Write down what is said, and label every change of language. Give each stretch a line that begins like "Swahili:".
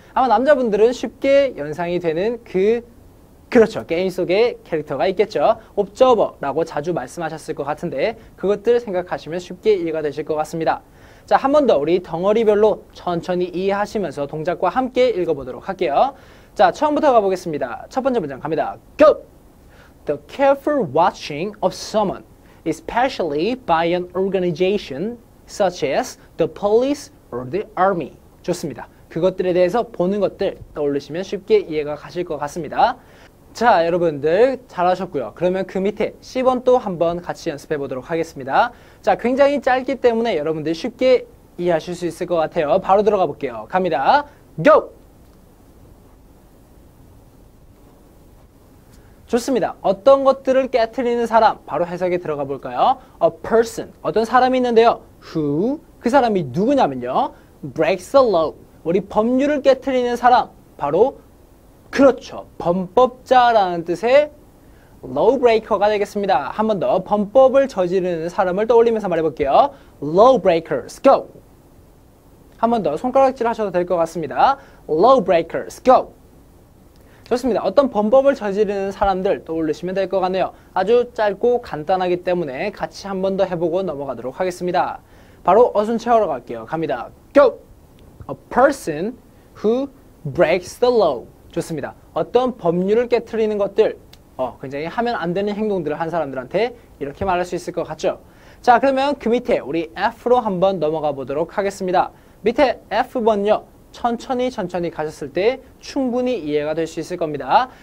Korean: 아마 남자분들은 쉽게 연상이 되는 그렇죠. 게임 속에 캐릭터가 있겠죠. Observer라고 자주 말씀하셨을 것 같은데 그것들 생각하시면 쉽게 이해가 되실 것 같습니다. 자, 한 번 더 우리 덩어리별로 천천히 이해하시면서 동작과 함께 읽어보도록 할게요. 자, 처음부터 가보겠습니다. 첫 번째 문장 갑니다. Go!
English: The careful watching of someone, especially by an organization such as the police or the army.
Korean: 좋습니다. 그것들에 대해서 보는 것들 떠올리시면 쉽게 이해가 가실 것 같습니다. 자, 여러분들 잘하셨고요. 그러면 그 밑에 10번 또 한번 같이 연습해 보도록 하겠습니다. 자, 굉장히 짧기 때문에 여러분들 쉽게 이해하실 수 있을 것 같아요. 바로 들어가 볼게요. 갑니다. Go! 좋습니다. 어떤 것들을 깨트리는 사람, 바로 해석에 들어가 볼까요?
English: A person,
Korean: 어떤 사람이 있는데요. Who, 그 사람이 누구냐면요.
English: Breaks the law,
Korean: 우리 법률을 깨트리는 사람, 바로 그렇죠. 범법자라는 뜻의 lawbreaker가 되겠습니다. 한 번 더 범법을 저지르는 사람을 떠올리면서 말해볼게요.
English: Lawbreakers, go!
Korean: 한 번 더 손가락질 하셔도 될 것 같습니다.
English: Lawbreakers, go!
Korean: 좋습니다. 어떤 범법을 저지르는 사람들 떠올리시면 될 것 같네요. 아주 짧고 간단하기 때문에 같이 한 번 더 해보고 넘어가도록 하겠습니다. 바로 어순 채우러 갈게요. 갑니다. Go!
English: A person who breaks the law.
Korean: 좋습니다. 어떤 법률을 깨트리는 것들, 굉장히 하면 안 되는 행동들을 한 사람들한테 이렇게 말할 수 있을 것 같죠? 자, 그러면 그 밑에 우리 F로 한번 넘어가 보도록 하겠습니다. 밑에 F번요. 천천히 가셨을 때 충분히 이해가 될 수 있을 겁니다.